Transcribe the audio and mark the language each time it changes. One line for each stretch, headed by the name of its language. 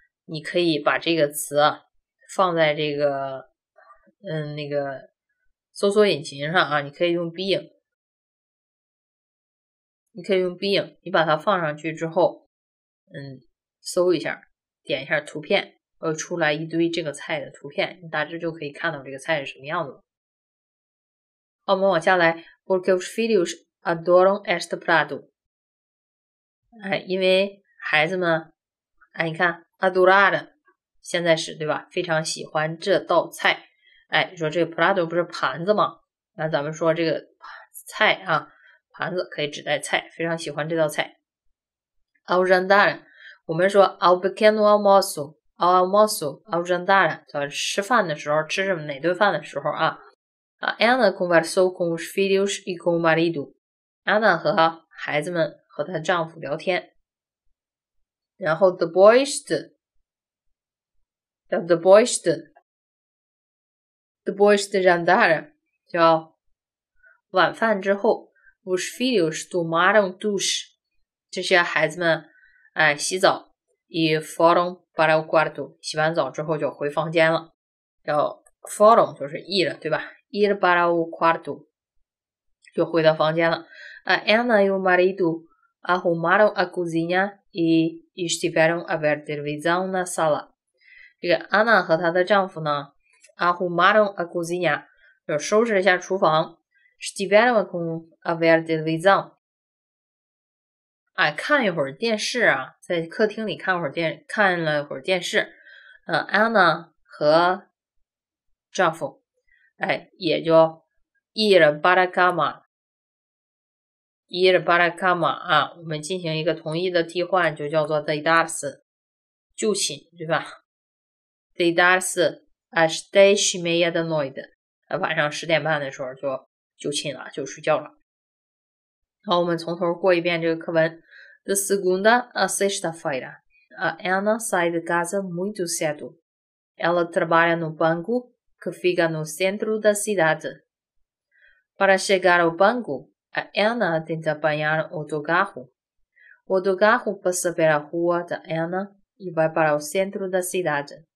Chinese: 你可以把这个词放在这个那个搜索引擎上啊，你可以用 Bing， 你可以用 Bing， 你把它放上去之后，搜一下，点一下图片，会出来一堆这个菜的图片，你大致就可以看到这个菜是什么样子。我们往下来
Portuguese: ，Porque os filhos adoram este prato。
Chinese: 哎，因为孩子们，哎，你看 ，adorar 现在时对吧？非常喜欢这道菜。哎，你说这个 prato 不是盘子吗？那咱们说这个菜啊，盘子可以指代菜，非常喜欢这道菜。 ao jantar， 我们说
Portuguese: ao pequeno almoço，ao almoço，ao jantar，
Chinese: 叫吃饭的时候，吃什么哪顿饭的时候啊？
Portuguese: Ana conversou com os filhos e com o marido。
Chinese: Ana 和孩子们和她丈夫聊天。然后 the boys 叫 the boys 的 the boys 的 jantar 叫晚饭之后
Portuguese: os filhos tomaram douche。
Chinese: 这些孩子们哎洗澡
Portuguese: e foram para o quarto。
Chinese: 洗完澡之后就回房间了。叫 foram 就是一了，对吧？
Portuguese: ir para o quarto，
Chinese: 就回到房间了。
Portuguese: Ana e o marido arrumaram a cozinha e estiveram a ver televisão na sala。
Chinese: 这个 Ana 和她的丈夫呢 ，
Portuguese: arrumaram a cozinha，
Chinese: 就收拾一下厨房。
Portuguese: estiveram a ver televisão，
Chinese: 哎，看一会儿电视啊，在客厅里看会儿电，看了会儿电视。 Ana 和丈夫。哎，也就
Portuguese: ir para cama，
Chinese: ir para cama 啊，我们进行一个同义的替换，就叫做 deitar-se， 就寝，对吧？
Portuguese: deitar-se às 10 e meia da noite，
Chinese: 晚上十点半的时候就就寝了，就睡觉了。好，我们从头过一遍这个课文。
Portuguese: De segunda a sexta-feira， Ana sai de casa muito cedo， ela trabalha no banco。 Que fica no centro da cidade. Para chegar ao banco, a Ana tenta apanhar o autocarro. O autocarro passa pela rua da Ana e vai para o centro da cidade.